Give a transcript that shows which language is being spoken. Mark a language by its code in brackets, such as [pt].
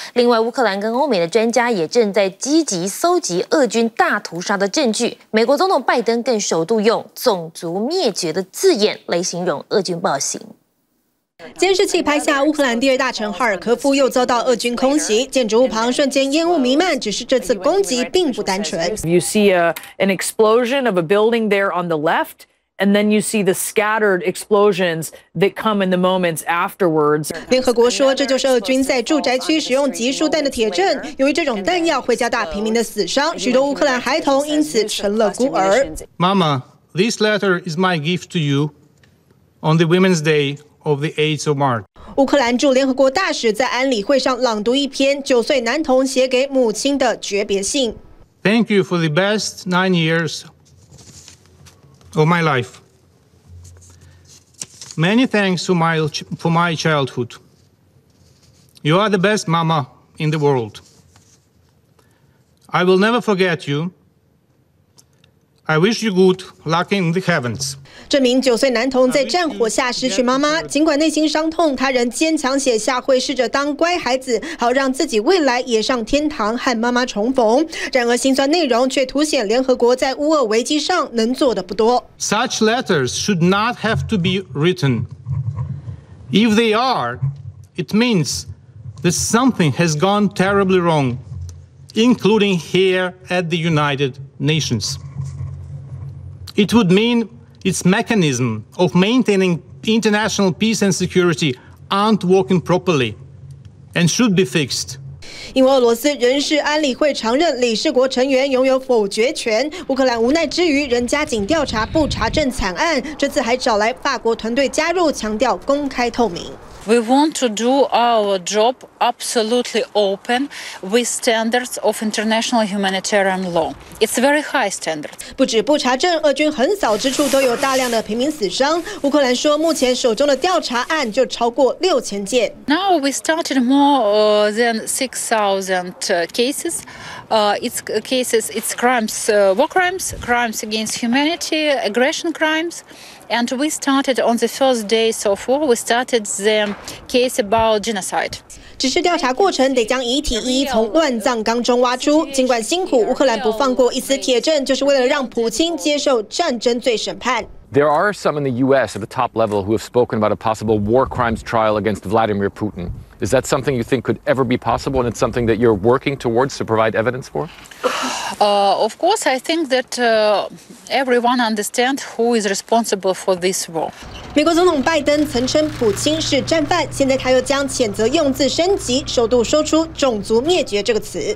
[zh] 另外，乌克兰跟欧美的专家也正在积极搜集俄军大屠杀的证据。美国总统拜登更首度用种族灭绝的字眼来形容俄军暴行。监视器拍下乌克兰第二大城哈尔科夫又遭到俄军空袭，建筑物旁瞬间烟雾弥漫。只是这次攻击并不单纯。 [en] You see an explosion of a building there on the left, and then you see the scattered explosions that come in the moments afterwards. [zh] 联合国说，这就是俄军在住宅区使用集束弹的铁证。由于这种弹药会加大平民的死伤，许多乌克兰孩童因此成了孤儿。 [en] Mama, this letter is my gift to you on the Women's Day. Of the 8th of March. [zh] 乌克兰驻联合国大使在安理会上朗读一篇9岁男童写给母亲的诀别信。 [en] Thank you for the best 9 years of my life. Many thanks for my childhood. You are the best mama in the world. I will never forget you. I wish you good luck in the heavens. [zh] 这名9岁男童在战火下失去妈妈，尽管内心伤痛，他仍坚强写下会试着当乖孩子，好让自己未来也上天堂和妈妈重逢。然而，心酸内容却凸显联合国在乌俄危机上能做的不多。 [en] Such letters should not have to be written. If they are, it means that something has gone terribly wrong, including here at the United Nations. It would mean. Its mechanism of maintaining international peace and security aren't working properly and should be fixed. [zh] 因为俄罗斯人事安理会常任理事国成员拥有否决权，乌克兰无奈之余仍加紧调查不查证惨案，这次还找来法国团队加入，强调公开透明。 [en] We want to do our job absolutely open with standards of international humanitarian law. It's very high standard. [zh] 不止不查证，俄军横扫之处都有大量的平民死伤。乌克兰说，目前手中的调查案就超过6000件。 [en] Now we started more than 6,000 cases. It's crimes, war crimes, crimes against humanity, aggression crimes. And we started on the first days of war, we started the case about genocide. [zh] 只是调查过程得将遗体一一从乱葬岗中挖出，尽管辛苦，乌克兰不放过一丝铁证，就是为了让普京接受战争罪审判。 [en] There are some in the U.S. at the top level who have spoken about a possible war crimes trial against Vladimir Putin. Is that something you think could ever be possible, and it's something that you're working towards to provide evidence for? Of course, I think that everyone understands who is responsible for this war. [zh] 美国总统拜登曾称普京是战犯，现在他又将谴责用字升级，首度说出“种族灭绝”这个词。